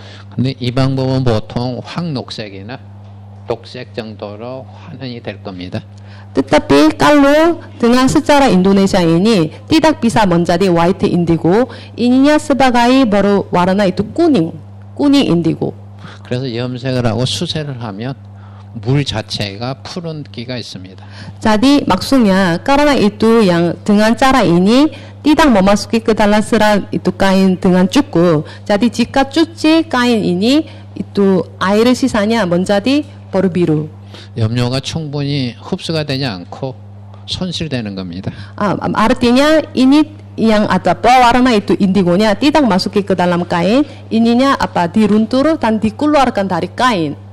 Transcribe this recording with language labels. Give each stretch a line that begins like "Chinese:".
Korean: 근데 이 방법은 보통 황녹색이나 녹색 정도로 환원이 될 겁니다.
Indonesian: Tetapi kalau dengan secara Indonesia ini tidak bisa menjadi white indigo, ininya sebagai baru warna itu kuning indigo.
Korean: 그래서 염색을 하고 수세를 하면 물 자체가 푸른 기가 있습니다.
Indonesian: Jadi maksudnya karena itu yang dengan cara ini tidak memasuki ke dalam serat itu kain dengan cukup. Jadi jika cuci kain ini itu air sisanya menjadi baru biru.
Korean: 염료가 충분히 흡수가 되지 않고 손실되는 겁니다.
Indonesian: 아, artinya ini yang ada pewarna itu indigonya tidak masuk ke dalam kain, ininya apa diruntur dan dikeluarkan dari kain.